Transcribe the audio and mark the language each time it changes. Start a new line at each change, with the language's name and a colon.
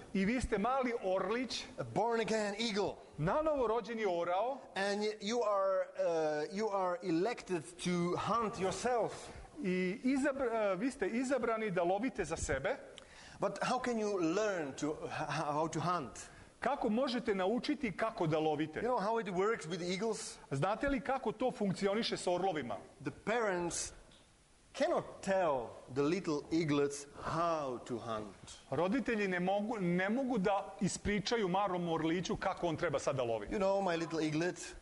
Serbian: I vi ste mali orlić.
English: A born again eagle.
Serbian: Na novo rođeni orao.
English: And you are elected to hunt yourself.
Serbian: I vi ste izabrani da lovite za sebe.
English: But how can you learn to how to hunt?
Serbian: Kako možete naučiti kako da lovite?
English: You know how it works with eagles?
Serbian: Znate li kako to funkcioniše s orlovima?
English: The parents cannot tell the little eaglets how to hunt.
Serbian: Roditelji ne mogu da ispričaju malom orliću kako on treba sada loviti.
English: You know my little eaglet?